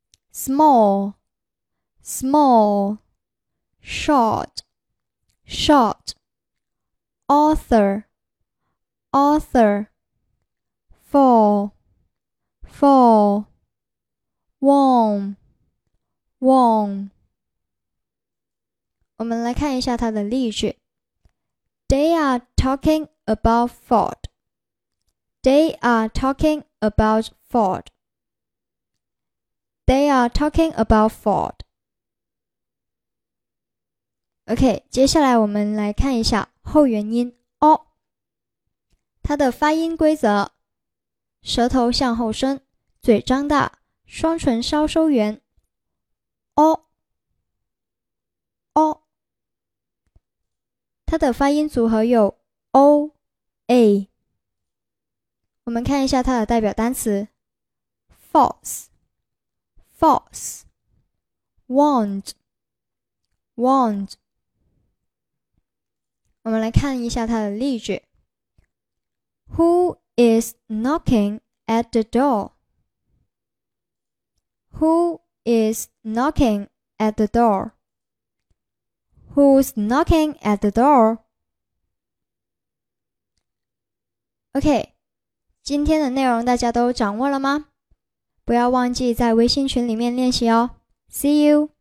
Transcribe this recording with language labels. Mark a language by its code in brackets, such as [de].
[en] small, small, short, short, author, author, fall, fall, warm, warm。 [zh] 我们来看一下它的例句。 [en] They are talking about Ford. They are talking about Ford. They are talking about Ford. [zh] OK, 接下来我们来看一下后元音 o。它的发音规则，舌头向后伸，嘴张大，双唇稍收圆。 o o 它的发音组合有 o a。我们看一下它的代表单词 false。 [en] False, want, want。 [zh] 我们来看一下它的例句。 [en] Who is knocking at the door? Who is knocking at the door? Who's knocking at the door? [zh] OK, 今天的内容大家都掌握了吗？不要忘记在微信群里面练习哦。 [en] See you!